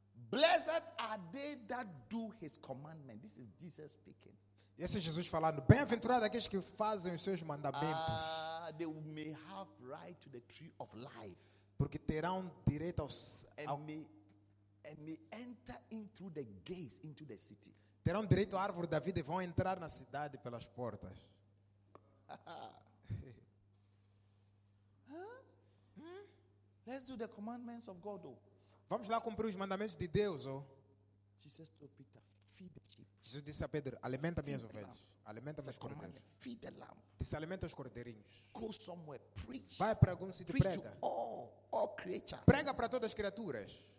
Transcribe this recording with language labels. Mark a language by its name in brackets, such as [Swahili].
[English] Blessed are they that do his commandment. This is Jesus speaking. [Portuguese] Esse é Jesus falando. Bem-aventurado aqueles que fazem os seus mandamentos. [English] They may have right to the tree of life. [Portuguese] Porque terão direito aos [English] and may enter into the gates into the city. [Portuguese] Terão direito à árvore da vida e vão entrar na cidade pelas portas. [English] Let's do the commandments of God, though. [Portuguese] Vamos lá cumprir os mandamentos de Deus, oh. [English] Jesus, to Peter, feed the sheep. [Portuguese] Jesus disse a Pedro, alimenta minhas ovelhas, alimenta meus cordeiros. [English] Feed the lamb. [Portuguese] Disse, alimenta os cordeirinhos. [English] Go somewhere, preach. [Portuguese] Vai para algum sítio e prega. [English] To all creatures. [Portuguese] Prega para todas as criaturas.